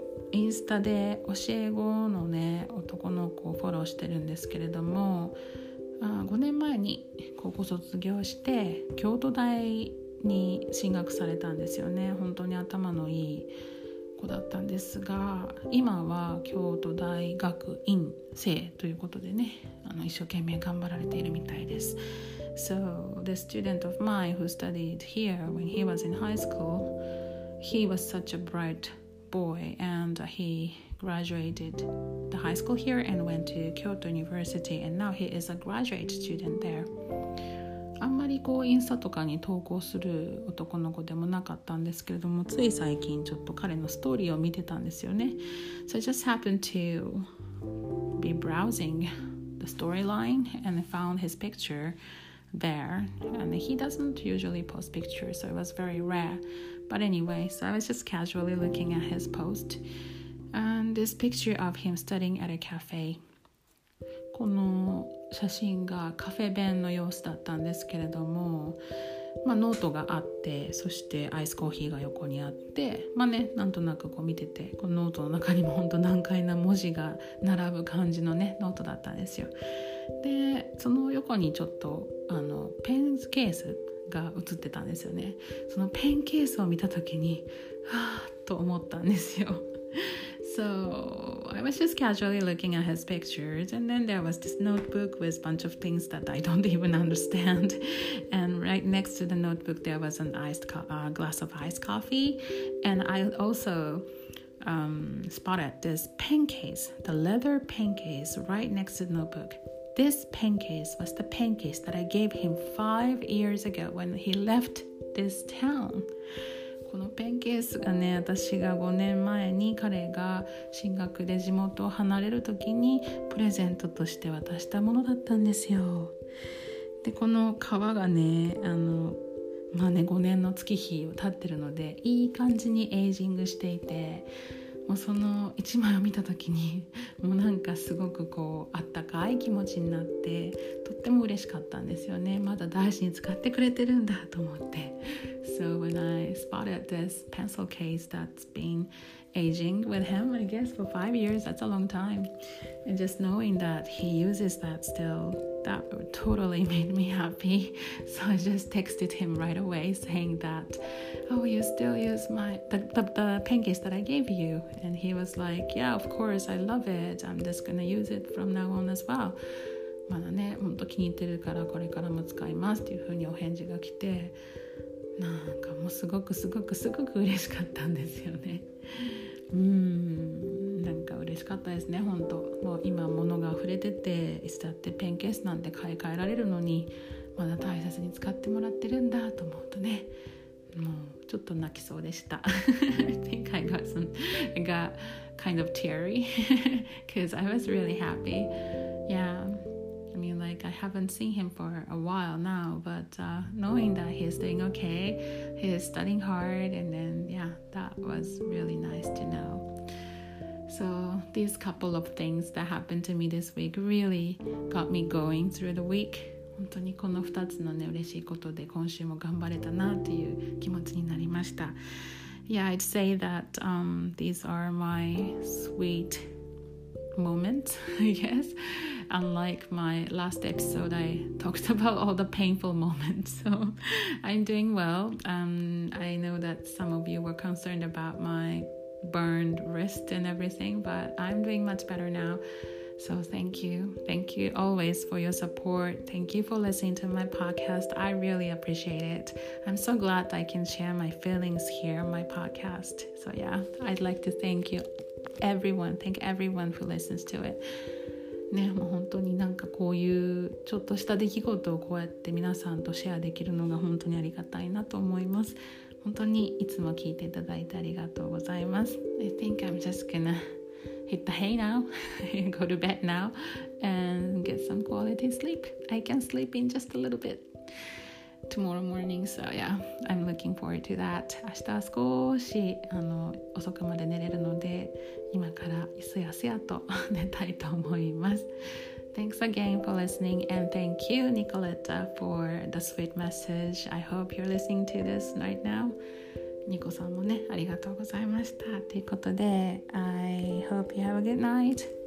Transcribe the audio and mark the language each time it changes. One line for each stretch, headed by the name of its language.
Japanese: インスタで教え子のね、男の子をフォローしてるんですけれども、5年前に高校卒業して京都大に進学されたんですよね。本当に頭のいい子だったんですが、今は京都大学院生ということでね、一生懸命頑張られているみたいです。
English: So the student of mine who studied here when he was in high school, he was such a bright boy and he graduated the high school here and went to Kyoto University and now he is a graduate student there.
Japanese: あんまりこうインスタとかに投稿する男の子でもなかったんですけれども、つい最近ちょっと彼のストーリーを見てたんですよね。
English: So I just happened to be browsing the storyline and found his pictureThere and he doesn't usually post pictures, so it was very rare. But anyway, so I was just casually looking at his post and this picture of him studying at a cafe.
Japanese: この写真がカフェ弁の様子だったんですけれども、まあ、ノートがあって、そしてアイスコーヒーが横にあって、まあね、なんとなくこう見てて、このノートの中にも本当難解な文字が並ぶ感じのね、ノートだったんですよ。で、その横にちょっとペンケースが写ってたんですよね。そのペンケースを見た時に、はぁと思ったんですよ。
English: So I was just casually looking at his pictures and then there was this notebook with a bunch of things that I don't even understand. And right next to the notebook there was an glass of iced coffee. And I also spotted this pen case, the leather pen case right next to the notebook. This pen case was the pen case that I gave him 5 years ago when he left this town.
Japanese: このペンケースがね、私が5年前に彼が進学で地元を離れる時にプレゼントとして渡したものだったんですよ。で、この革がね、まあね、5年の月日を経ってるのでいい感じにエイジングしていて、もうその1枚を見た時にもうなんかすごくこうあったかい気持ちになってとっても嬉しかったんですよね。まだ大事に使ってくれてるんだと思って。
English: So when I spotted this pencil case that's been aging with him, I guess for 5 years, that's a long time. And just knowing that he uses that still, that totally made me happy. So I just texted him right away saying that, oh, you still use the pen case that I gave you. And he was like, yeah, of course, I love it. I'm just going to use it from now on as well.
Japanese: まだね、本当気に入ってるからこれからも使いますっていう風にお返事が来て、なんかもうすごくすごくすごく嬉しかったんですよね。なんか嬉しかったですね、本当。もう今物が溢れてて、いつだってペンケースなんて買い替えられるのに、まだ大切に使ってもらってるんだと思うとね、もうちょっと泣きそうでした。
English: I think I got kind of teary because I was really happy. Yeah. I mean, like, I haven't seen him for a while now, but knowing that he's doing okay, he's studying hard, and then, yeah, that was really nice to know. So these couple of things that happened to me this week really got me going through the week.
Japanese: 本当にこの2つのね、嬉しいことで今週も頑張れたなっていう気持ちになりました。
English: Yeah, I'd say that these are my sweet moments, I guess. Unlike my last episode, I talked about all the painful moments. So I'm doing well. I know that some of you were concerned about my burned wrist and everything, but I'm doing much better now. So thank you. Thank you always for your support. Thank you for listening to my podcast. I really appreciate it. I'm so glad I can share my feelings here on my podcast. So yeah, I'd like to thank you, everyone. Thank everyone who listens to it.
Japanese: ね、もう本当になんかこういうちょっとした出来事をこうやって皆さんとシェアできるのが本当にありがたいなと思います。本当にいつも聞いていただいてありがとうございます。
English: I think I'm just gonna hit the hay now go to bed now and get some quality sleep. I can sleep in just a little bit tomorrow morning, so yeah, I'm looking forward to that.
Japanese: 明日は少し遅くまで寝れるので今からいすやすやと寝たいと思います。
English: Thanks again for listening and thank you Nicoletta for the sweet message. I hope you're listening to this right now.
Japanese: ニコさんもね、ありがとうございましたということで、
English: I hope you have a good night.